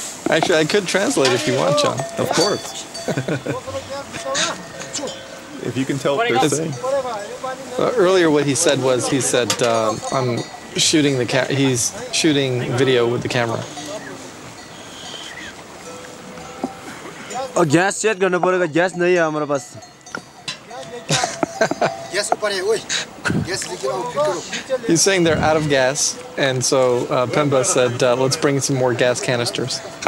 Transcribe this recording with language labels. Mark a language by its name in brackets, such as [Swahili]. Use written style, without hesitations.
[English] Actually, I could translate if you want, John. Of course. If you can tell what they're saying. Earlier, what he said was, he said, I'm shooting the camera. He's shooting video with the camera. [Hindi] Oh, gas set करना पड़ेगा. Gas नहीं है हमारे पास. Gas upar hai, oi. Gas leke aao, pick karo. [English] He's saying they're out of gas, and so Pemba said, let's bring some more gas canisters.